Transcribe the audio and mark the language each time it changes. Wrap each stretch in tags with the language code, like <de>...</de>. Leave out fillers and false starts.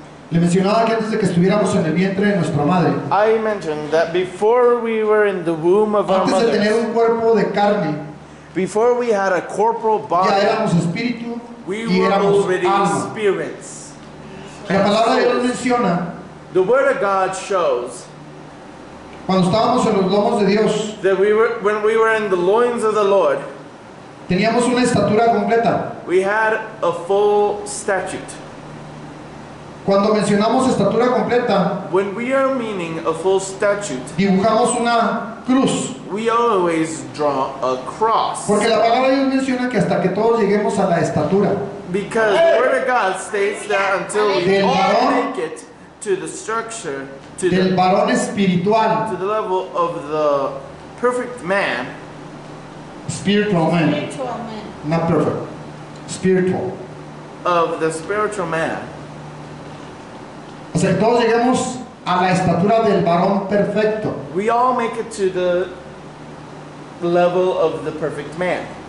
<es>Le mencionaba que antes de que estuviéramos en el vientre de nuestra madre,</es> <en>I mentioned that before we were in the womb of our mother,</en> <es>antes de tener un cuerpo de carne,</es> <en>before we had a corporal body,</en> <es>ya éramos espíritu</es> <en>we</en> <es>y éramos</es> <en>already</en> <es>alma.</es> <en>Spirits.</en> <es>La palabra de Dios menciona,</es> <en>the word of God shows,</en> <es>cuando estábamos en los lomos de Dios,</es> <en>that we were, when we were in the loins of the Lord,</en> <es>teníamos una estatura completa.</es> <en>We had a full stature.</en> <es>Cuando mencionamos estatura completa,</es> <en>when we are meaning a full stature,</en> <es>dibujamos una cruz.</es> <en>We always draw a cross.</en> <es>Porque la palabra de Dios menciona que hasta que todos lleguemos a la estatura.</es> <en>Because the word of God states that until we all make it to the structure, to</en> <es>del varón espiritual,</es> <en>to the level of the perfect man, spiritual man, spiritual man. Not perfect, spiritual, of the spiritual man.</en> <es>O sea, todos lleguemos a la estatura del varón perfecto.</es> <en>We all make it to the level of the perfect man.</en>